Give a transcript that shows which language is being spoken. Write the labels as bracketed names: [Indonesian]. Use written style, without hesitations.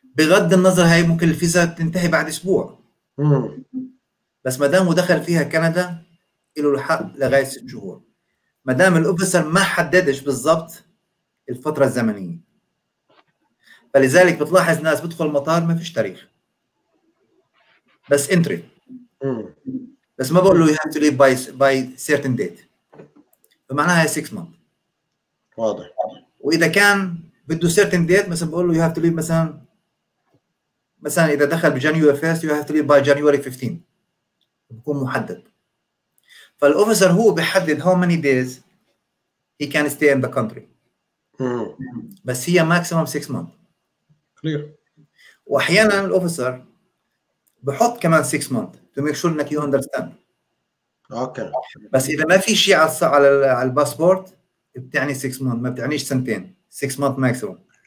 [Arabic] بغض النظر هاي ممكن الفيزا تنتهي بعد اسبوع, بس ما دام دخل فيها كندا له الحق لغايه 6 شهور, ما دام الاوفيسر ما حددش بالضبط الفتره الزمنيه. فلذلك بتلاحظ ناس بدخل المطار ما فيش تاريخ بس انتري, بس ما بقول له you have to leave by certain date, فمعناها 6 months. واضح. واذا كان بده certain date مثلا بقول له you have to leave مثلا اذا دخل بجانيوري 1st you have to leave by January 15, بكون محدد. [English] فالأوفيسر هو بيحدد how many days he can stay in the country. بس هي maximum 6 months. واحيانا الاوفيسر بحط كمان 6 مانث تو ميك شور انك يو اندرستاند. اوكي [Arabic] بس اذا ما في شيء على الباسبورت بتعني 6 مانث, ما بتعنيش سنتين, 6 مانث ماكسيمم.